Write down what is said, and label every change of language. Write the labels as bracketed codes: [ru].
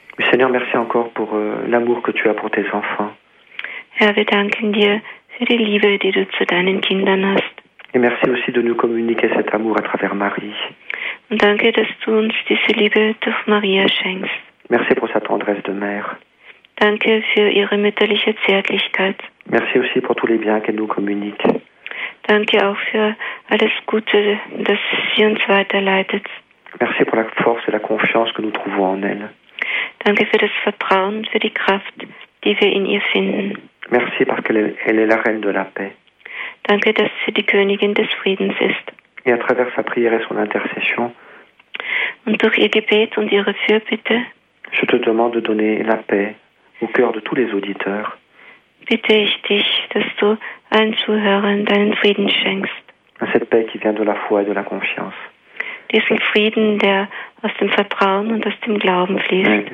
[fr] Seigneur, merci encore pour l'amour que tu as pour tes enfants. [de] Herr, wir danken dir für die Liebe, die du zu deinen Kindern hast. [fr] Et merci aussi de nous communiquer cet amour à travers Marie. [de] Und danke, dass du uns diese Liebe durch Maria schenkst. [fr] Merci pour sa tendresse de mère. [de] Danke für ihre mütterliche Zärtlichkeit. [fr] Merci aussi pour tous les biens qu'elle nous communique. [de] Danke auch für alles Gute, das sie uns weiterleitet. [fr] Merci pour la force et la confiance que nous trouvons en elle. [de] Danke für das Vertrauen, für die Kraft, die wir in ihr finden. [fr] Merci parce qu'elle est la reine de la paix. [de] Danke, dass sie die Königin des Friedens ist. [fr] Et à travers sa prière et son intercession, [de] und durch ihr Gebet und ihre Fürbitte, [fr] je te demande de donner la paix au cœur de tous les auditeurs. [de] Bitte ich dich, dass du allen Zuhörern deinen Frieden schenkst. [fr] Cette paix qui vient de la foi et de la confiance. [de] Diesen Frieden, der aus dem Vertrauen und aus dem Glauben fließt.